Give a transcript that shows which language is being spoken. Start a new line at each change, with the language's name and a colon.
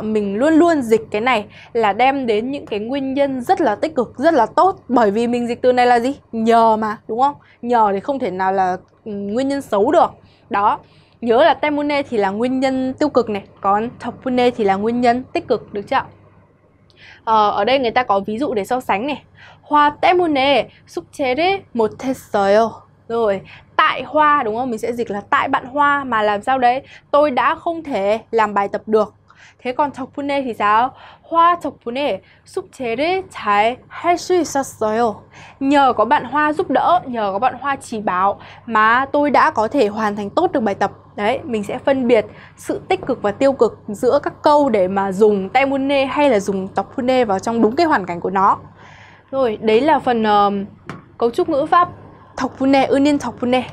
Vietnamese: Mình luôn luôn dịch cái này là đem đến những cái nguyên nhân rất là tích cực, rất là tốt. Bởi vì mình dịch từ này là gì? Nhờ mà, đúng không? Nhờ thì không thể nào là nguyên nhân xấu được. Đó, nhớ là temune thì là nguyên nhân tiêu cực này, còn tokune thì là nguyên nhân tích cực, được chưa? Ở đây người ta có ví dụ để so sánh này.
Korean: 화 때문에 숙제를 못했어요.
Vietnamese: Rồi, tại hoa đúng không? Mình sẽ dịch là tại bạn hoa mà làm sao đấy? Tôi đã không thể làm bài tập được. Thế còn 덕분에 thì sao?
Korean: 화 덕분에 숙제를 잘 할 수 있었어요.
Vietnamese: Nhờ có bạn hoa giúp đỡ, nhờ có bạn hoa chỉ bảo mà tôi đã có thể hoàn thành tốt được bài tập. Đấy, mình sẽ phân biệt sự tích cực và tiêu cực giữa các câu để mà dùng 때문에 hay là dùng 덕분에 vào trong đúng cái hoàn cảnh của nó. Rồi, đấy là phần cấu trúc ngữ pháp 덕분에, ưu niên 덕분에.